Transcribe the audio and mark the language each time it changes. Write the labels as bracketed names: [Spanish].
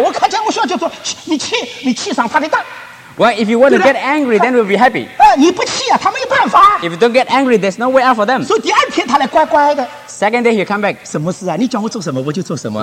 [Chinese] 我看见我笑就说，你气上他的当。 [English] Well, if you want to get angry, then we'll be happy. [Chinese] 你不气啊，他没办法。 [English] If you don't get angry, there's no way out for them. [Chinese] 所以第二天他来乖乖的。 [English] Second day, he come back. [Chinese] 什么事啊？你叫我做什么，我就做什么。